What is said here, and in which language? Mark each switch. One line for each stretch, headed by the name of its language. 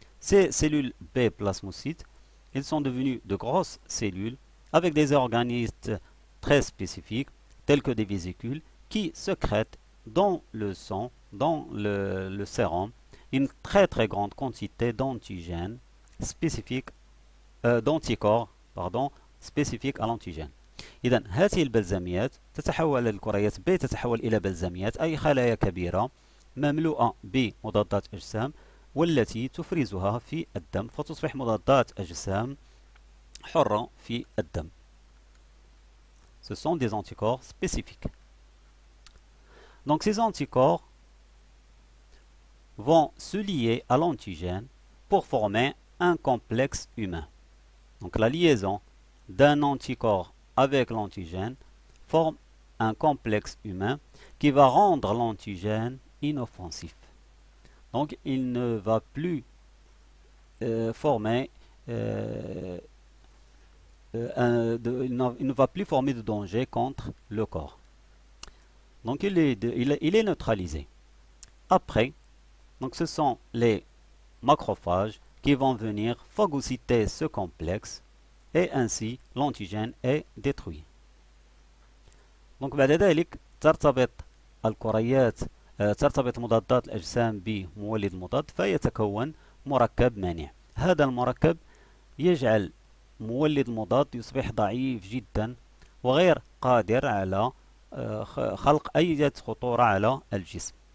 French: Ces cellules B plasmocytes, elles sont devenues de grosses cellules avec des organites très spécifiques, tels que des vésicules qui sécrètent dans le sang, dans le sérum, une très très grande quantité d'antigènes spécifiques, d'anticorps, pardon, spécifiques à l'antigène. Et donc,
Arabic: هذه البلزميات تتحول الكريات B تتحول إلى بلزميات أي خلايا كبيرة مملوءة بمضادات أجسام والتي تفرزها في الدم فتصبح مضادات أجسام حرة في الدم.
French: Ce sont des anticorps spécifiques. Donc ces anticorps vont se lier à l'antigène pour former un complexe humain. Donc la liaison d'un anticorps avec l'antigène forme un complexe humain qui va rendre l'antigène inoffensif. Donc il ne va plus former il ne va plus former de danger contre le corps. Donc il est neutralisé. Après, donc ce sont les macrophages qui vont venir phagocyter ce complexe et ainsi l'antigène est détruit. Donc
Arabic: بعد ذلك ترتبط الكريات ترتبط مضادات الأجسام بمولد مضاد فيتكون مركب مانع. هذا المركب يجعل مولد مضاد يصبح ضعيف جدا وغير قادر على خلق أي خطورة على الجسم.